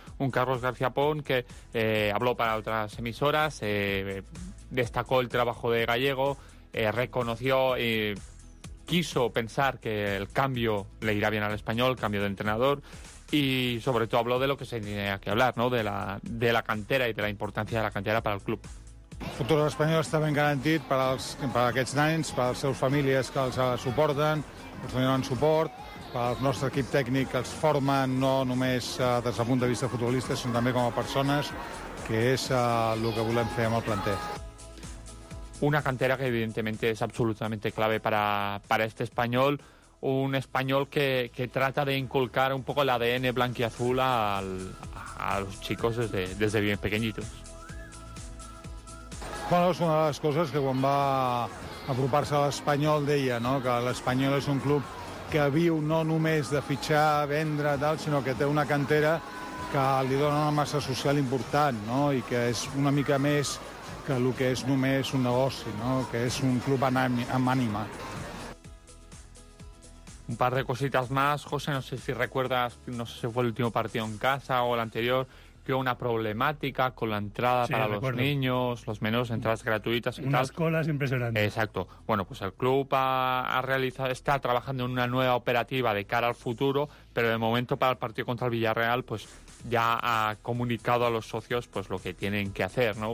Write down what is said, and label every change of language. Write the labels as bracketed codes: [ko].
[es] Un Carlos García Pon que habló para otras emisoras, destacó el trabajo de Gallego, reconoció y quiso pensar que el cambio le irá bien al Español, cambio de entrenador, y sobre todo habló de lo que se tenía que hablar, ¿no? De la cantera y de la importancia de la cantera para el club. [ca] El futur de l'Espanyol està ben garantit per aquests nens, per les seves famílies que els suporten, els donen suport, per el nostre equip tècnic que els formen no només des del punt de vista futbolista, sinó també com a persones, que és el que volem fer amb el planter. [es] Una cantera que [ca] evidentment és absolutament [es] clave per a aquest Espanyol, un Espanyol que trata de inculcar un poco el ADN blanquiazul a los chicos desde bien pequeñitos. [ca] Bueno, és una de les coses que quan va apropar-se a l'Espanyol deia, no?, que l'Espanyol és un club que viu no només de fitxar, vendre, tal, sinó que té una cantera que li dona una massa social important, no?, i que és una mica més que el que és només un negoci, no?, que és un club amb ànima. [es] Un par de cositas más, José, no sé si recuerdas, no sé si fue el último partido en casa o el anterior, que hubo una problemática con la entrada, sí, para los niños, los menores, entradas gratuitas y unas colas impresionantes. Exacto. Bueno, pues el club está trabajando en una nueva operativa de cara al futuro, pero de momento para el partido contra el Villarreal, pues ya ha comunicado a los socios pues lo que tienen que hacer, ¿no?